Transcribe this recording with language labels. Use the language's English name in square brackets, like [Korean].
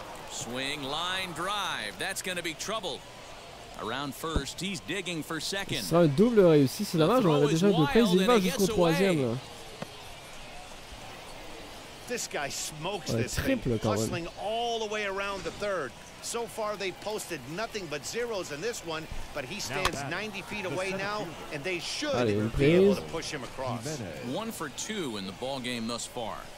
[English] Swing, line, drive, that's going to be trouble. Around first, he's digging for second. [French] Ce sera un double réussi, c'est dommage, on avait déjà deux prises, il va jusqu'au troisième. [English] This guy smokes this thing, hustling all the way around the third. So far, they've posted nothing but zeros in this one, but he stands 90 feet away now, and they should be able to push him across. One for two in the ball game thus far.